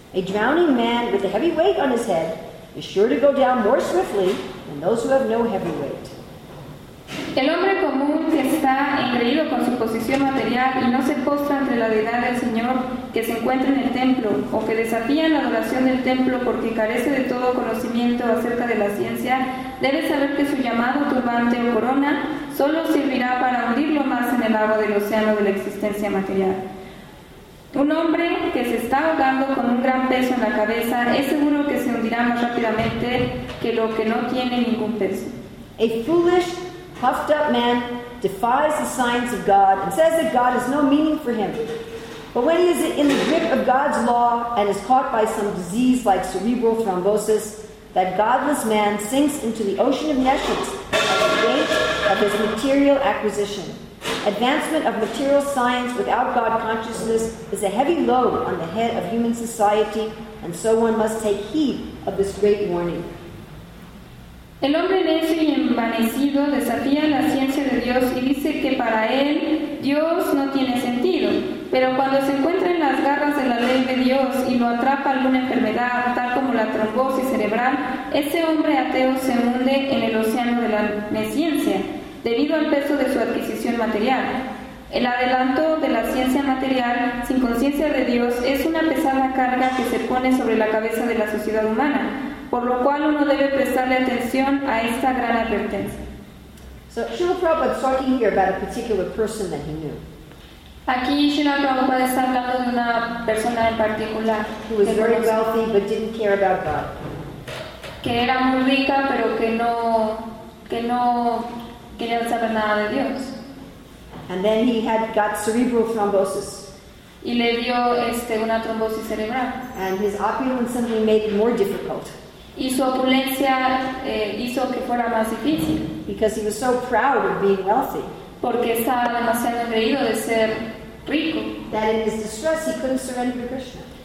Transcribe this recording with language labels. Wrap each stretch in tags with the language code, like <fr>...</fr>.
<en>A drowning man with a heavy weight on his head is sure to go down more swiftly than those who have no heavy weight.</en> <es>El hombre común que está engreído con su posición material y no se postra ante la deidad del Señor que se encuentra en el templo o que desafía la adoración del templo porque carece de todo conocimiento acerca de la ciencia, debe saber que su llamado turbante o corona solo servirá para hundirlo más en el agua del océano de la existencia material. Un hombre que se está ahogando con un gran peso en la cabeza es seguro que se hundirá más rápidamente que lo que no tiene ningún peso.</es> <en>A foolish puffed up man defies the science of God and says that God has no meaning for him. But when he is in the grip of God's law and is caught by some disease like cerebral thrombosis, that godless man sinks into the ocean of nescience at the weight of his material acquisition. Advancement of material science without God consciousness is a heavy load on the head of human society, and so one must take heed of this great warning.</en> <es>El hombre necio y envanecido desafía la ciencia de Dios y dice que para él Dios no tiene sentido. Pero cuando se encuentra en las garras de la ley de Dios y lo atrapa alguna enfermedad, tal como la trombosis cerebral, ese hombre ateo se hunde en el océano de la neciencia, debido al peso de su adquisición material. El adelanto de la ciencia material, sin conciencia de Dios, es una pesada carga que se pone sobre la cabeza de la sociedad humana, por lo cual uno debe prestarle atención a esta gran advertencia.</es> <en>So Srila Prabhupada is talking here about a particular person that he knew.</en> <es>Aquí Srila Prabhupada está hablando de una persona en particular.</es> <en>Who was very wealthy but didn't care about God.</en> <es>Que era muy rica pero que no quería saber nada de Dios.</es> <en>And then he had got cerebral thrombosis.</en> <es>Y le dio una trombosis cerebral.</es> <en>And his opulence simply made it more difficult.</en> <es>Y su opulencia hizo que fuera más difícil.</es> <en>Because he was so proud of being wealthy.</en> <es>Porque estaba demasiado engreído de ser rico.</es> <en>That in his distress he couldn't surrender to Krishna.</en>